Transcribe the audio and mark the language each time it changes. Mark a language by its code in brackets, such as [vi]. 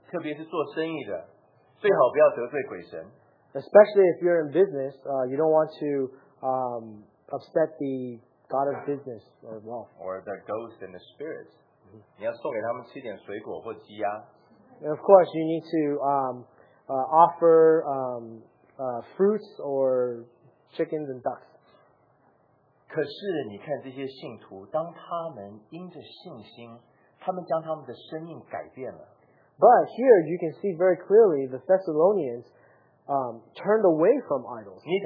[en] Especially if you're in business, you don't want to upset the god of business or wealth. Or the ghost and the spirits. Mm-hmm. [zh] 你要送给他们吃点水果或鸡鸭。 [en] And of course, you need to offer fruits or chickens and ducks. [zh] 可是你看这些信徒，当他们因着信心，他们将他们的生命改变了。 [en] But here you can see very clearly the Thessalonians turned away from idols.